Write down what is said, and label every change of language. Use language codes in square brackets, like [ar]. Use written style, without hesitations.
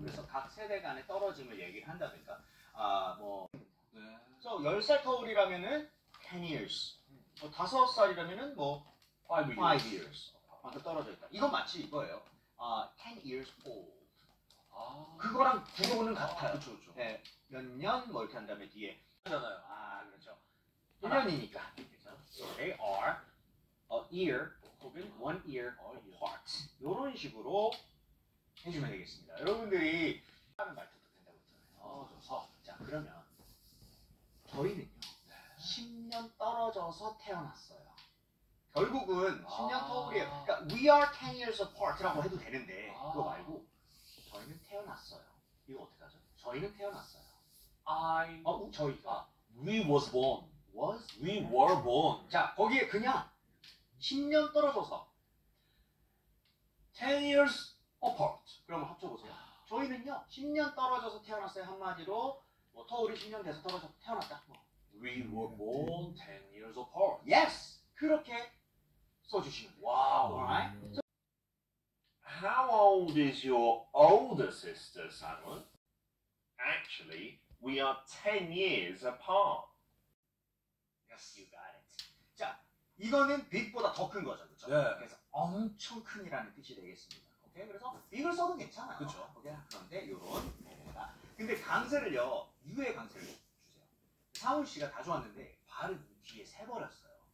[ko] 그래서 각 세대 간의 떨어짐을 얘기를 한다든가 뭐 그래서 10살 터울이라면은 [en] 10 years [ko] 5살이라면은 뭐 [en] 5 years [ko] 방금 떨어져 있다. 이건 마치 이거예요. [en] 10 years old [ko] 그거랑 구조는 같아요. 그렇죠. 네, 몇 년 뭐 이렇게 한 다음에 뒤에 하잖아요. 아 그렇죠. 1년이니까. [en] So they are a year [ko] 혹은 [en] one year apart. [ko] 이런 식으로 해주면 되겠습니다. 여러분들이 다른 말투도 된다고 했잖아요. 자, 그러면 저희는요. 10년 떨어져서 태어났어요. 결국은 10년 터울이에요. 그러니까 [en] we are 10 years apart [ko] 라고 해도 되는데 그거 말고 저희는 태어났어요. 이거 어떻게 하죠? 저희는 태어났어요. [en] I [ko] 저희가 [en] we was born. Was we were born. [ko] 자, 거기에 그냥 10년 떨어져서 [en] 10 years apart. [ko] 그러면 합쳐보세요. 저희는요, 10년 떨어져서 태어났어요. 한마디로 뭐 터울이 10년 돼서 떨어져서 태어났다. [en] We were born 10 years apart. Yes! [ko] 그렇게 써주시면 돼요. [en] Wow. Right? So, How old is your older sister, Sang-hoon? Actually, we are 10 years apart. Yes, you got it. [ko] 자, 이거는 빅보다 더 큰 거죠, 그렇죠? 네. 그래서 엄청 큰이라는 뜻이 되겠습니다. 오케이, 그래서 빅을 써도 괜찮아요. 그렇죠. 오케이, 그런데 이런. 근데 강세를요, 유의 강세를 주세요. 상훈 씨가 가져왔는데 발을 뒤에 세버렸어요.